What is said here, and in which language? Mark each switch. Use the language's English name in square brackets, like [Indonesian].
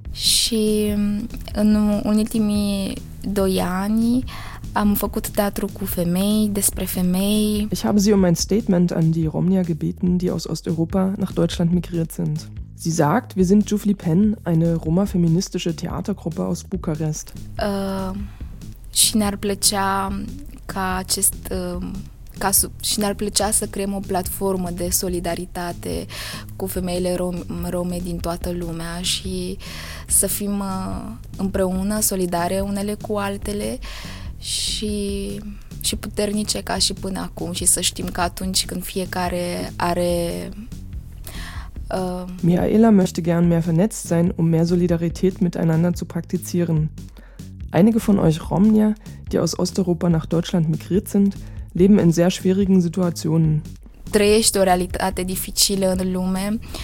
[Romanian] Și în ultimii doi ani am făcut teatru cu femei, despre femei. [German] Ich habe sie um ein Statement an die Romnia gebeten, die aus Osteuropa nach Deutschland migriert sind. Sie sagt, wir sind Juflipen, eine Roma-feministische Theatergruppe aus Bucharest. [Romanian] Și ne-ar plăcea ca acest... Și ne-ar plăcea să creăm o platformă de solidaritate cu femeile rome din toată lumea și să fim împreună, solidare unele cu altele și puternice ca și până acum și să știm că atunci când fiecare are... [German] Mihaela möchte gern mehr vernetzt sein, um mehr Solidarität miteinander zu praktizieren. Einige von euch Romnia, die aus Osteuropa nach Deutschland migriert sind, leben in sehr schwierigen Situationen. [Romanian] Trăiești o realitate dificilă în lume.